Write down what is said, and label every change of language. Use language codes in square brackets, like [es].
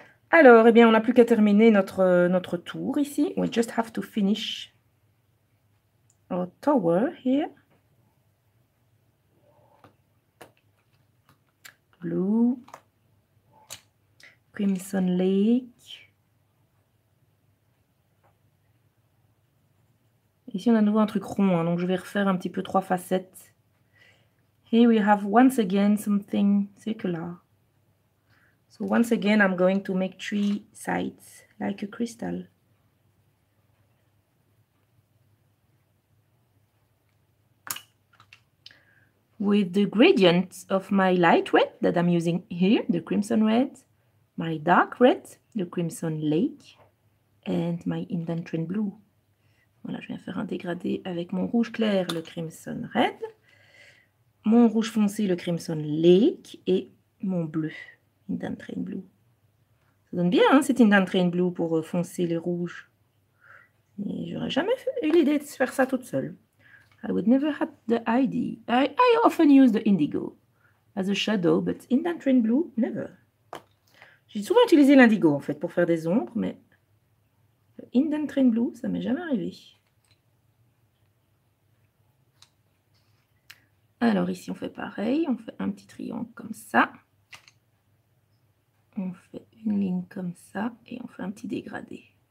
[fr] Alors, eh bien, on n'a plus qu'à terminer notre tour ici. [en] We just have to finish our tower here. Blue. Crimson Lake. [fr] Ici, on a nouveau un truc rond, hein, donc je vais refaire un petit peu trois facettes. [en] Here we have once again something circular. So once again, I'm going to make three sides, like a crystal. With the gradient of my light red that I'm using here, the crimson red, my dark red, the crimson lake, and my indentured blue. [fr] Voilà, je viens faire un dégradé avec mon rouge clair, le crimson red, mon rouge foncé, le crimson lake, et mon bleu. Indentured blue. Ça donne bien, hein, cette indentured blue pour foncer les rouges. Mais j'aurais jamais eu l'idée de faire ça toute seule. [en] I would never have the idea. I often use the indigo as a shadow, but indentured blue, never. [fr] J'ai souvent utilisé l'indigo, en fait, pour faire des ombres, mais indentured blue, ça m'est jamais arrivé. Alors ici, on fait pareil. On fait un petit triangle comme ça. On fait une ligne comme ça et on fait un petit dégradé.